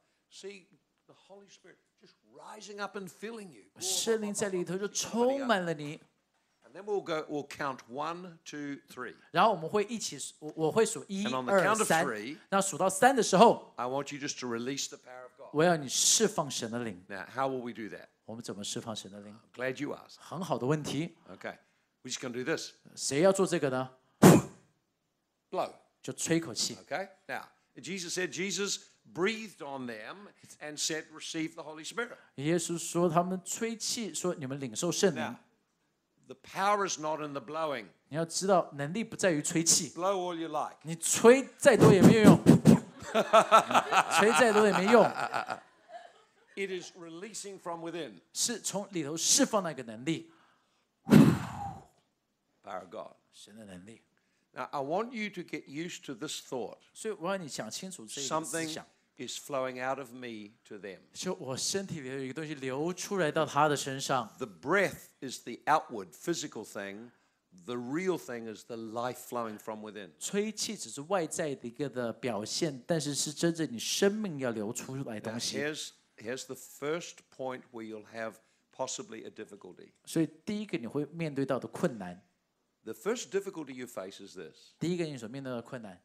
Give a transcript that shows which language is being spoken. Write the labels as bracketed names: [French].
[English] See the Holy Spirit just rising up and filling you. [Chinese] 圣灵在里头就充满了你。 [English] And then we'll count one, two, three. [Chinese] 然后我们会一起，我会数一、二、三。 [English] And on the count of three, [Chinese] 那数到三的时候 [English] ，I want you just to release the power of God. [Chinese] 我要你释放神的灵。 [English] Now, how will we do that? [Chinese] 我们怎么释放神的灵 [English] ？Glad you asked. [Chinese] 很好的问题。 [English] Okay, we're just going to do this. [Chinese] 谁要做这个呢 [English] ？Blow. [Chinese] 就吹口气。 [English] Okay, now Jesus said Jesus breathed on them and said, "Receive the Holy Spirit." [Chinese] 耶稣说他们吹气，说你们领受圣灵。 [English] The power is not in the blowing. [Chinese] 你要知道能力不在于吹气。 [English] Blow all you like. [Chinese] 你吹再多也没有用。吹再多也没用。 [English] It is releasing from within. [Chinese] 是从里头释放那个能力。 [English] Power of God. [Chinese] 神的能力。 [English] Now, I want you to get used to this thought. Something is flowing out of me to them. The breath is the outward physical thing. The real thing is the life flowing from within. [Chinese] 吹气只是外在的一个表现，但是是真正你生命要流出来的东西。 [English] Here's the first point where you'll have possibly a difficulty. [Chinese] 所以第一个你会面对到的困难。 [English] The first difficulty you face is this. [Chinese] 第一个你所面对的困难。